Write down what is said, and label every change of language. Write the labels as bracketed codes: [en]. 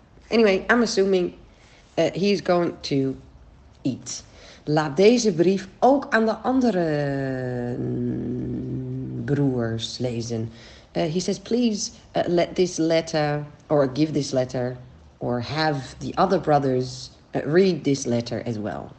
[en] Anyway, I'm assuming he is going to eat. [nl] Laat deze brief ook aan de andere broers lezen. [en] He says, please let this letter, or give this letter, or have the other brothers read this letter as well.